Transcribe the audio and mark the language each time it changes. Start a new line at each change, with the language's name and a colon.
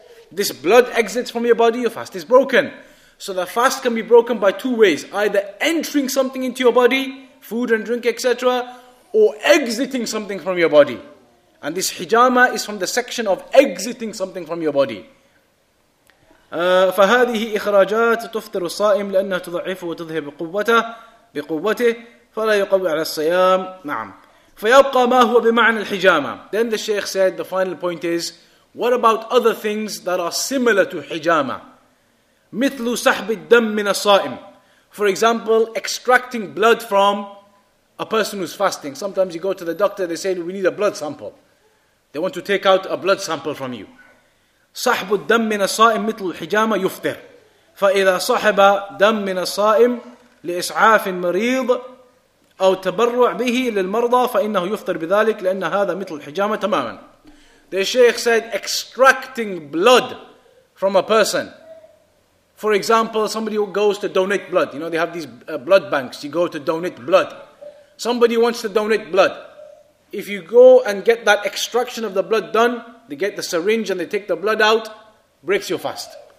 English: This blood exits from your body, your fast is broken. So the fast can be broken by two ways, either entering something into your body, food and drink, etc., or exiting something from your body. And this hijama is from the section of exiting something from your body.
Arabic: فهذه إخراجات تفطر الصائم لأنها تضعف وتذهب قوته بقوته فلا يقوي على الصيام. نعم. فيبقى ما هو بمعنى الحجامة.
English: Then the Shaykh said, the final point is, what about other things that are similar to hijama?
Arabic: مثل سحب الدم من الصائم.
English: For example, extracting blood from a person who's fasting. Sometimes you go to the doctor, they say, we need a blood sample. They want to take out a blood sample from you.
Arabic: صحب الدم من الصائم مثل الحجامة يفطر. فإذا صحب دم من الصائم لإسعاف المريض أو تبرع به للمرضى فإنه يفطر بذلك لأن هذا مثل الحجامة تماما.
English: The Shaykh said, extracting blood from a person. For example, somebody who goes to donate blood. You know, they have these blood banks. You go to donate blood. Somebody wants to donate blood. If you go and get that extraction of the blood done, they get the syringe and they take the blood out, breaks your fast.